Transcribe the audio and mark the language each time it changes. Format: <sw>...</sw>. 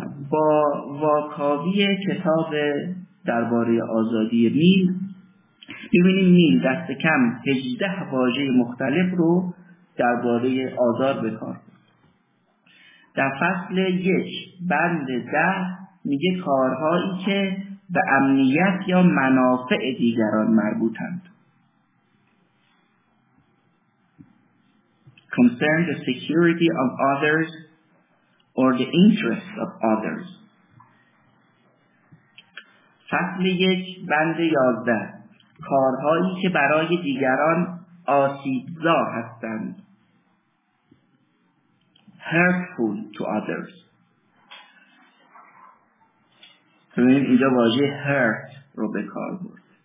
<fa>با واکاوی کتاب درباره آزادی میل می‌بینیم میل دست کم 18 واژه مختلف رو درباره آزار به کار برد. در فصل 1 بند 10 میگه کارهایی که به امنیت یا منافع دیگران مربوطند.</fa> <en>Concern the security of others or the interests of others.</en> <fa>فصل 1 بند 11 کارهایی که برای دیگران آسیبزا هستند،</fa> <en>hurtful to others.</en> <fa>اینجا واژه hurt رو به کار برد.</fa>